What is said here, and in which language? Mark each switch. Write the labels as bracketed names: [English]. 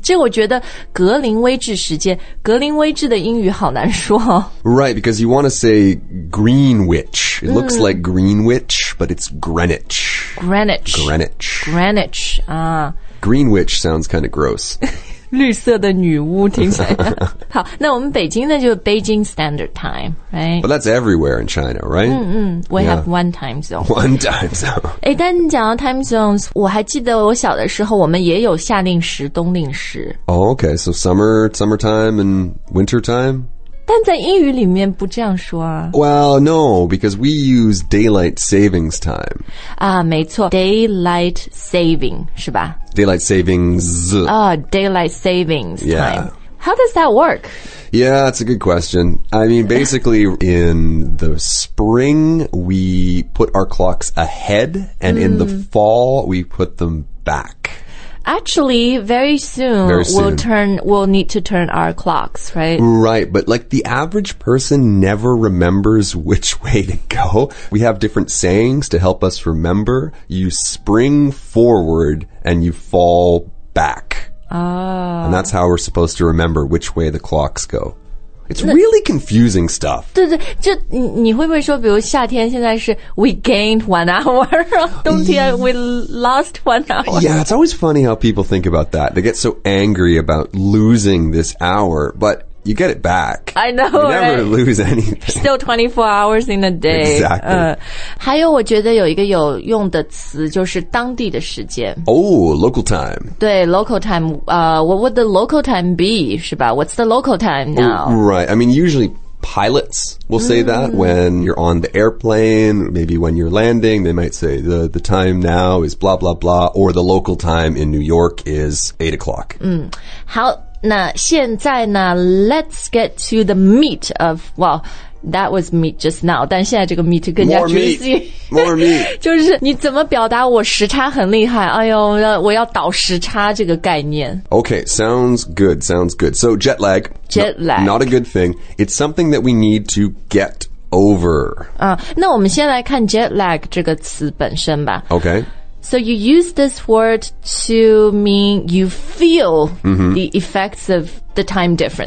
[Chinese] 这我觉得格林威治时间，格林威治的英语好难说哦。 [English] Right, because you want to say Greenwich. It looks like Greenwich. Greenwich, but it's Greenwich. Greenwich. Greenwich. Greenwich. Greenwich sounds kind of gross. [Chinese] 绿色的女巫听起来。好，那我们北京呢就是 Beijing Standard Time, right? [English] But that's everywhere in China, right? 嗯，we have one time zone. One time zone. [Chinese] 诶，但你讲到 time zones, 我还记得我小的时候我们也有夏令时、冬令时。 [English] Oh, okay, so summertime and wintertime? [Chinese] 但在英语里面不这样说啊。 [English] Well, no, because we use daylight savings time. [Chinese] 啊，没错 ,daylight saving, 是吧 [English] ?daylight savings. 啊、oh, ,daylight savings time. Yeah. How does that work? Yeah, that's a good question. I mean, basically, in the spring, we put our clocks ahead, and in the fall, we put them back. Actually, very soon, we'll need to turn our clocks, right? Right, but like the average person never remembers which way to go. We have different sayings to help us remember. You spring forward and you fall back. And that's how we're supposed to remember which way the clocks go. It's really confusing stuff. [Chinese] 对对，就你会不会说，比如夏天现在是 [English] we gained 1 hour, [Chinese] 冬天 [English] we lost 1 hour. Yeah, it's always funny how people think about that. They get so angry about losing this hour, but you get it back. I know, you never lose anything. Still 24 hours in a day. Exactly. [Chinese] 还有我觉得有一个有用的词就是当地的时间。 [English] Oh, local time. 对 ,local time. What would the local time be, 是吧 ?What's the local time now?、 Oh, right. I mean, usually pilots will say that when you're on the airplane, maybe when you're landing, they might say the time now is blah, blah, blah, or the local time in New York is 8 o'clock. [Chinese] 好。那现在呢 [English] let's get to the meat of, well, that was meat just now, [Chinese] 但现在这个 [English] meat 更加 juicy. More meat. [Chinese] 就是你怎么表达我时差很厉害哎呦我要倒时差这个概念。 [English] Okay, sounds good. So jet lag. Not a good thing. It's something that we need to get over. [Chinese] 那我们先来看 jet lag 这个词本身吧。 [English] Okay. So you use this word to mean you feel the effects of the time difference,